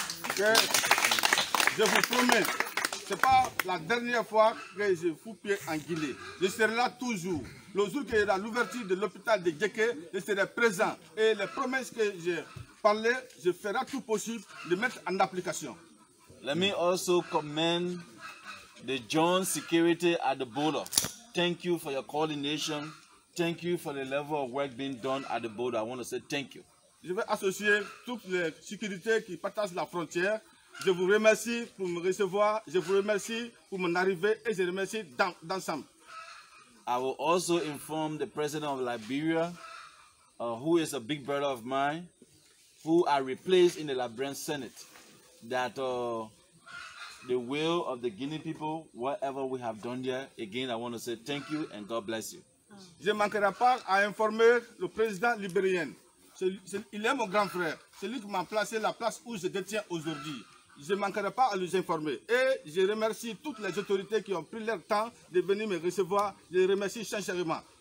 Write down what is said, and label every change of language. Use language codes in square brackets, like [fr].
[en] Okay. [fr] Je vous promets, ce n'est pas la dernière fois que je fous pied en Guinée. Je serai là toujours. Le jour qu'il y aura l'ouverture de l'hôpital de JK, je serai présent. Et les promesses que j'ai parlé, je ferai tout possible de mettre en application. [en] Let me also commend the joint security at the border. Thank you for your coordination. Thank you for the level of work being done at the border. I want to say thank you. [fr] Je vais associer toutes les sécurités qui partagent la frontière. Je vous remercie pour me recevoir. Je vous remercie pour mon arrivée et je remercie d'ensemble. [en] I will also inform the president of Liberia, who is a big brother of mine, who I replaced in the Liberian Senate, that the will of the Guinea people, whatever we have done here, again, I want to say thank you and God bless you. [fr] Je ne manquerai pas à informer le président libérien. Il est mon grand frère. C'est lui qui m'a placé la place où je détiens aujourd'hui. Je ne manquerai pas à lui informer. Et je remercie toutes les autorités qui ont pris leur temps de venir me recevoir. Je les remercie sincèrement.